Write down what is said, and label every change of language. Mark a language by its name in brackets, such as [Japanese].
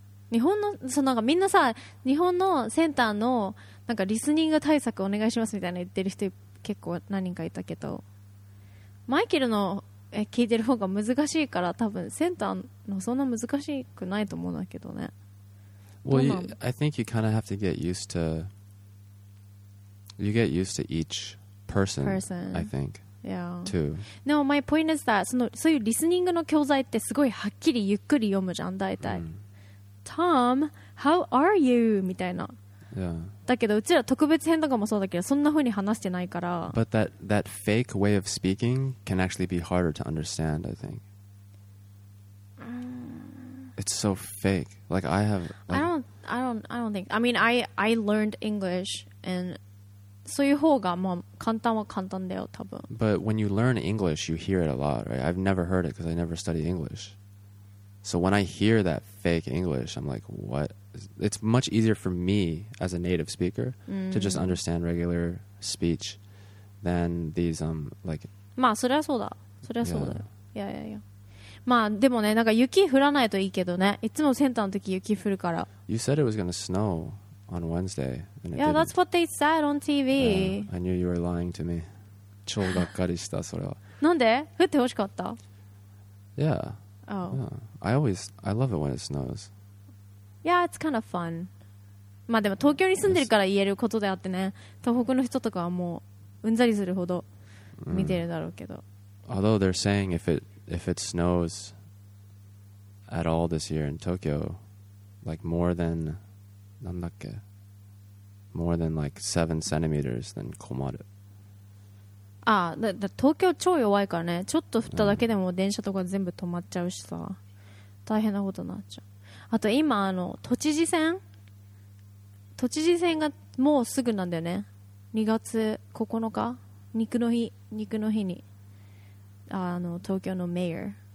[Japanese] 日本のそのなんかみんなさ日本のセンターのなんかリスニング対策お願いしますみたいな言ってる人結構何人かいたけどマイケルの聞いてる方が難しいから多分センターのそんな難しくないと思うんだけどね。 [English] Well, you, I think you kind of have to get used to you get used to each person, person. I think. Yeah. Too. No, my point is that [Japanese] そのそういうリスニングの教材ってすごいはっきりゆっくり読むじゃん大体。Mm. [English] Tom, how are you? [Japanese] みたいな。 [English] Yeah. [Japanese] だけどうちら特別編とかもそうだけどそんな風に話してないから。 [English] But that, that fake way of speaking can actually be harder to understand, I think. It's so fake. Like I have. Like, I don't think. I mean, I learned English and [Japanese] そういう方がまあ簡単は簡単だよ多分。 [English] But when you learn English, you hear it a lot, right? I've never heard it because I never studied English. So when I hear that fake English, I'm like, what? It's much easier for me as a native speaker to just understand regular speech than these, like... [Japanese] まあ、それはそうだ。それはそうだよ。 [English] Yeah. Yeah, yeah, yeah. [Japanese] まあ、でもね、なんか雪降らないといいけどね。いつもセンターの時雪降るから。 [English] You said it was going to snow on Wednesday. Yeah, that's what they said on TV. I knew you were lying to me. [Japanese] 超がっかりした、それは。なんで？降ってほしかった [English] Yeah. Oh. Yeah. I love it when it snows. Yeah, it's kind of fun. [Japanese] まあでも東京に住んでるから言えることであってね、東北の人とかはもううんざりするほど見てるだろうけど。 [English] Although they're saying if it snows at all this year in Tokyo, like more than [Japanese] なんだっけ、 [English] more than like 7 centimeters, then [Japanese] 困る。ああだ東京超弱いからねちょっと降っただけでも電車とか全部止まっちゃうしさ大変なことになっちゃうあと今あの都知事選がもうすぐなんだよね2月9日肉の日にあの東京のメイヤー、